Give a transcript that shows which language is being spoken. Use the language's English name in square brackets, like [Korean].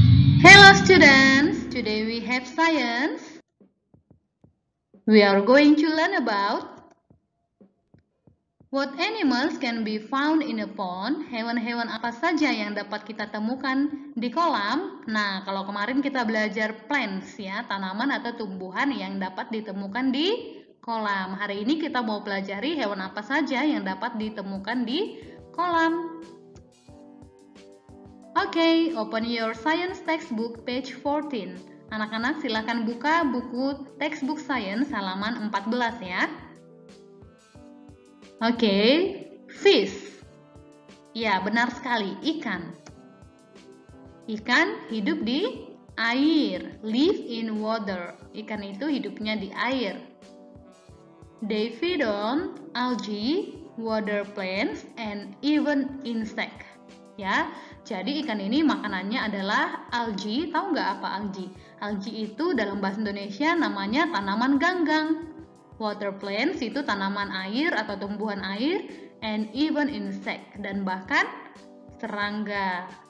[English] Behave Science, we are going to learn about what animals can be found in a pond. [Indonesian] Hewan-hewan apa saja yang dapat kita temukan di kolam? Nah, kalau kemarin kita belajar plants ya, tanaman atau tumbuhan yang dapat ditemukan di kolam. Hari ini kita mau pelajari hewan apa saja yang dapat ditemukan di kolam. [English] Okay, open your science textbook page 14. [Indonesian] Anak-anak silakan buka buku textbook science halaman 14 ya. [English] Okay, fish. [Indonesian] Ya, benar sekali, ikan. Ikan hidup di air, [English] live in water. [Indonesian] Ikan itu hidupnya di air. [English] They feed on algae, water plants, and even insects. [Indonesian] Ya, jadi ikan ini makanannya adalah algae. Tahu nggak apa algae? Algae itu dalam bahasa Indonesia namanya tanaman ganggang. Water plants itu tanaman air atau tumbuhan air, [English] and even insect [Indonesian] dan bahkan serangga.